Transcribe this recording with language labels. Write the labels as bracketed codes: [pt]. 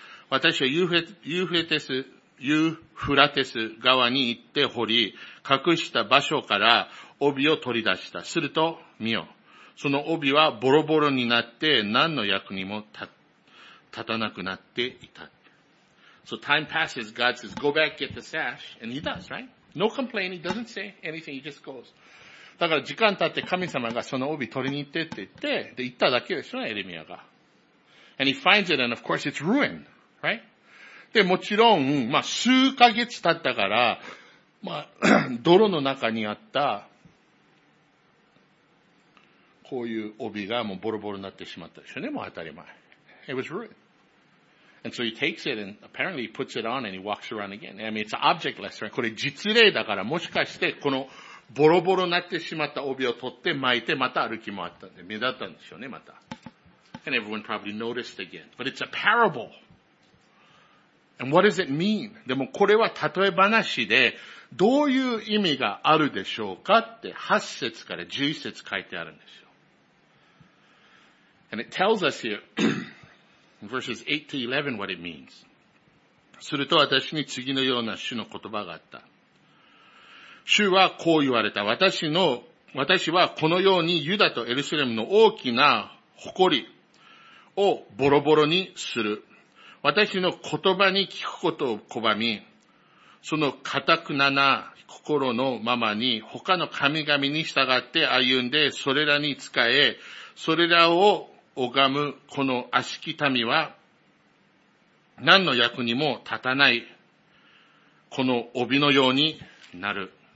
[ja] 私はユーフラテス川に行って掘り、隠した場所から帯を取り出した。すると、見よ。その帯はボロボロになって、何の役にも立たなくなっていた。 [en] So time passes, God says, go back, get the sash, and he does, right? No complaining, doesn't say anything, he just goes. [ja] だから時間経って神様がその帯取りに行ってって言って、で、行っただけですよね、エレミアが。 [en] And he finds it, and of course it's ruined, right? [ja] で、もちろん、まあ、数ヶ月経ったから、まあ、泥の中にあった、こういう帯がもうボロボロになってしまったでしょうね、もう当たり前。 [en] It was ruined. And so he takes it and apparently he puts it on and he walks around again. I mean, it's an object lesson. [ja] これ実例だからもしかしてこのボロボロなってしまった帯を取って巻いてまた歩き回ったんで目立ったんでしょうねまた。 [en] And everyone probably noticed again. But it's a parable. And what does it mean? [ja] でもこれは例え話でどういう意味があるでしょうかって8節から11節書いてあるんですよ。 [en] And it tells us here, Verses 8 to 11, what it means. [ja] すると私に次のような主の言葉があった。主はこう言われた。私はこのようにユダとエルサレムの大きな誇りをボロボロにする。私の言葉に聞くことを拒み、その固くなな心のままに他の神々に従って歩んでそれらに仕え、それらを拝むこの悪しき民は何の役にも立たないこの帯のようになる。